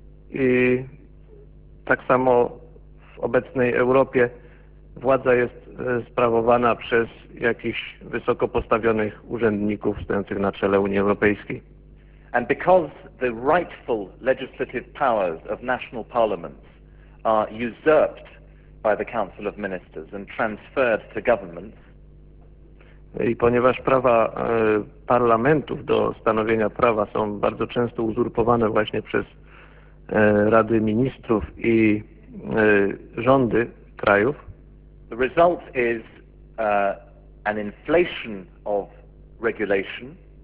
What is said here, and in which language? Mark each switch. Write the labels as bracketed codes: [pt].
[pl] I tak samo w obecnej Europie władza jest sprawowana przez jakichś wysoko postawionych urzędników stojących na czele Unii Europejskiej. [en] And because the rightful legislative powers of national parliaments are usurped by the Council of Ministers and transferred to governments. [pl] I ponieważ prawa parlamentów do stanowienia prawa są bardzo często uzurpowane właśnie przez Rady Ministrów i rządy krajów. [en] The result is an inflation of regulation.